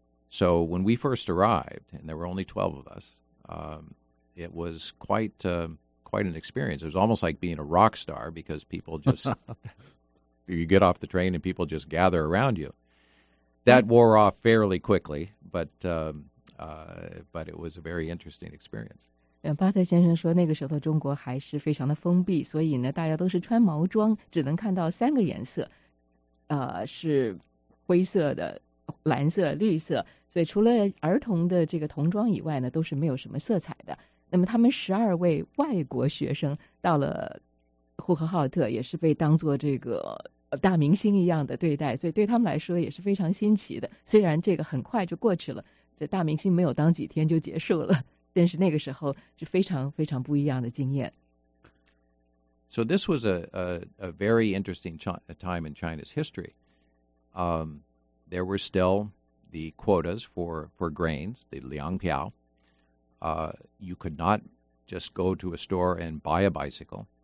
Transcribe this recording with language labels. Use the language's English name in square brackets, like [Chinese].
[English] So when we first arrived, and there were only 12 of us, it was quite an experience. It was almost like being a rock star because people just, you get off the train and people just gather around you. That wore off fairly quickly, but it was a very interesting experience. [Chinese] 巴特先生说那个时候的中国还是非常的封闭，所以呢大家都是穿毛装，只能看到三个颜色，是灰色的、蓝色、绿色，所以除了儿童的这个童装以外呢，都是没有什么色彩的。那么他们十二位外国学生到了呼和浩特，也是被当作这个大明星一样的对待，所以对他们来说也是非常新奇的。虽然这个很快就过去了，这大明星没有当几天就结束了，但是那个时候是非常非常不一样的经验。 [English] So this was a very interesting time in China's history. There were still the quotas for grains, the liang piao. You could not just go to a store and buy a bicycle.